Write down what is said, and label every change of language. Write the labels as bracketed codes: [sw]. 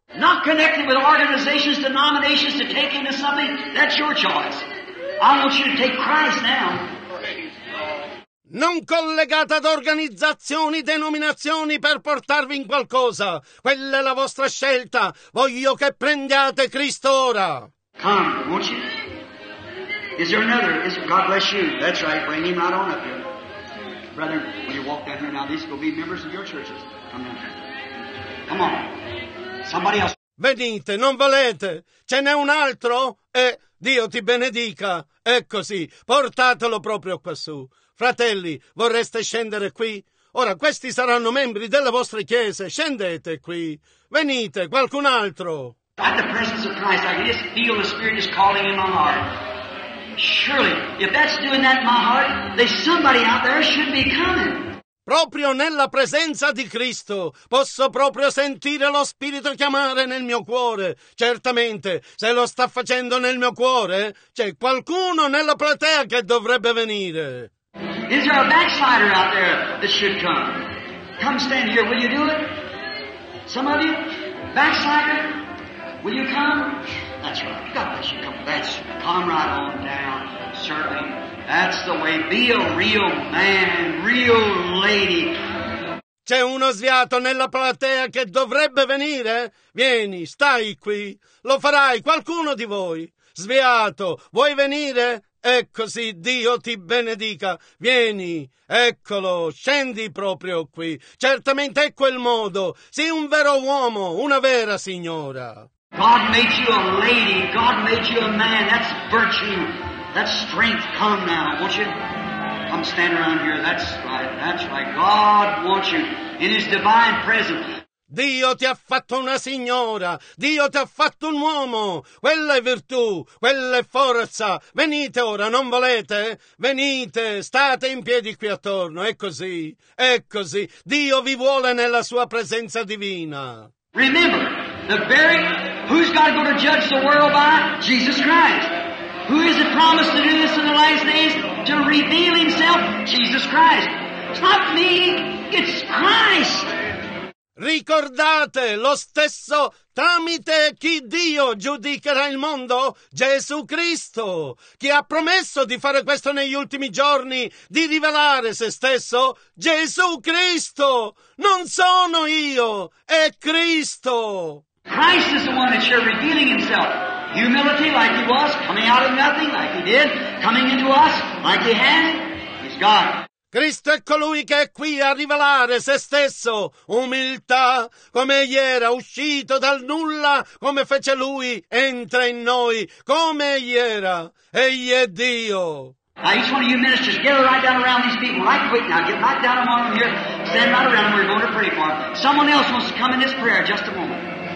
[en] Not connected with organizations, denominations to take into something, that's your choice. I want you to take Christ now. [it] Non collegata ad organizzazioni, denominazioni per portarvi in qualcosa. Quella è la vostra scelta. Voglio che prendiate Cristo ora. [en] Come, won't you? Is there another? Is there, God bless you. That's right. Bring him right on up here. Brother, when you walk down here now, these will be members of your churches. Come on. Come on. Somebody else. [it] Venite, non volete. Ce n'è un altro? Dio ti benedica. È così. Portatelo proprio quassù. Fratelli, vorreste scendere qui? Ora, questi saranno membri della vostra chiesa. Scendete qui. Venite, qualcun altro. [en] At the presence of Christ, I can just feel the Spirit is calling in my heart. Surely, if that's doing that in my heart, there's somebody out there should be coming. [it] Proprio nella presenza di Cristo posso proprio sentire lo Spirito chiamare nel mio cuore. Certamente, se lo sta facendo nel mio cuore, c'è qualcuno nella platea che dovrebbe venire. [en] Is there a backslider out there that should come? Come stand here, will you do it? Some of you? Backslider? Will you come? That's right. God bless you. Come, that's come right on down, serving. That's the way. Be a real man, real lady. [it] C'è uno sviato nella platea che dovrebbe venire? Vieni, stai qui. Lo farai qualcuno di voi. Sviato, vuoi venire? Ecco sì, Dio ti benedica. Vieni, eccolo, scendi proprio qui. Certamente è quel modo. Sii un vero uomo, una vera signora. [en] God made you a lady, God made you a man, that's virtue, that's strength. Come now, won't you? Come stand around here, that's right, God wants you in His divine presence. [it] Dio ti ha fatto una signora, Dio ti ha fatto un uomo, quella è virtù, quella è forza, venite ora, non volete? Venite, state in piedi qui attorno, è così, Dio vi vuole nella sua presenza divina. [en] Remember, the very... Who's God going to judge the world by? Jesus Christ. Who is it promised to do this in the last days? To reveal Himself? Jesus Christ. It's not me, it's Christ. [it] Ricordate lo stesso tramite chi Dio giudicherà il mondo? Gesù Cristo, che ha promesso di fare questo negli ultimi giorni, di rivelare se stesso? Gesù Cristo, non sono io, è Cristo. [en] Christ is the one that you're revealing Himself. Humility like He was, coming out of nothing like He did, coming into us like He had, He's God. [it] Cristo è colui che è qui a rivelare se stesso, umiltà, come egli era uscito dal nulla, come fece lui, entra in noi, come egli era, egli è Dio. [en] Now each one of you ministers, gather right down around these people, right quick now, get right down among them here, stand right around them, we're going to pray for them. Someone else wants to come in this prayer, just a moment.